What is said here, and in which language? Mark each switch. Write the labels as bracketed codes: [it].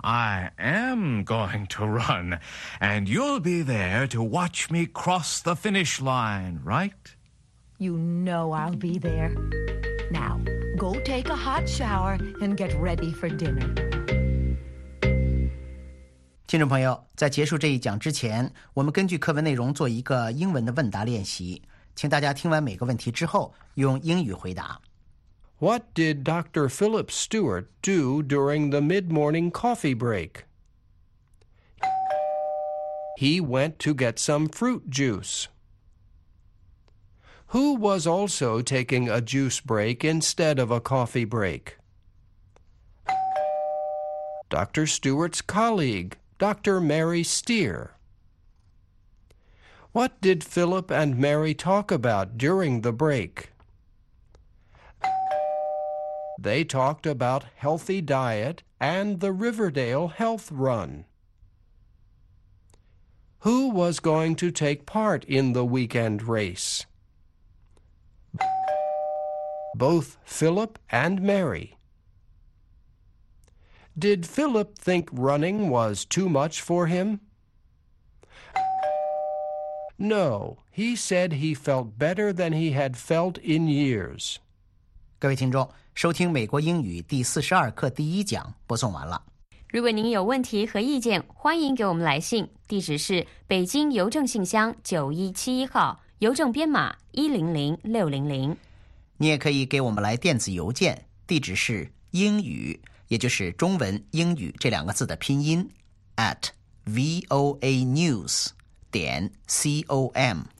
[en] I am going to run. And you'll be there to watch me cross the finish line, right? You know I'll be there. Now, go take a hot shower and get ready for dinner. [zh] 听众朋友，在结束这一讲之前，我们根据课文内容做一个英文的问答练习。请大家听完每个问题之后用英语回答。 [en] What did Dr. Philip Stewart do during the mid-morning coffee break? He went to get some fruit juice. Who was also taking a juice break instead of a coffee break? Dr. Stewart's colleague, Dr. Mary Steer. What did Philip and Mary talk about during the break? They talked about healthy diet and the Riverdale Health Run. Who was going to take part in the weekend race? Both Philip and Mary. Did Philip think running was too much for him? No, he said he felt better than he had felt in years. [zh] 各位听众，收听美国英语第42课第一讲播送完了。如果您有问题和意见，欢迎给我们来信，地址是北京邮政信箱9171号，邮政编码100600。你也可以给我们来电子邮件，地址是英语，也就是中文英语这两个字的拼音 @voanews.com